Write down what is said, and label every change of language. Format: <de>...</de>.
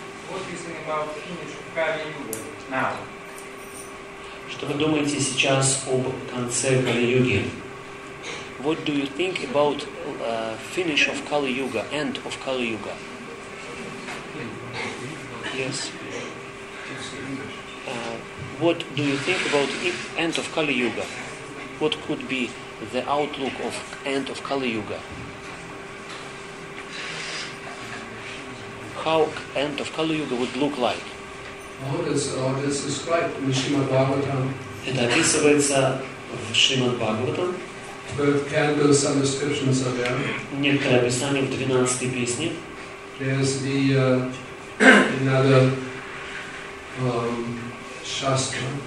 <en>What is it about the finish of Kali Yuga now?</en> <ru>Что вы думаете сейчас об конце Кали-Юги?</ru> <en>What do you think about finish of Kali Yuga, end of Kali Yuga? Yes. What do you think about the end of Kali Yuga? What could be the outlook of end of Kali Yuga? How end of Kali Yuga would look like? All this is described in Srimad Bhagavatam.</en> <ru>Это описывается в Шримад Бхагаватам.</ru> <en>12 candles, some descriptions are there.</en> <ru>Некоторые описания в 12 песне.</ru> <en>There's the another.</en> <ru>Шастра.</ru>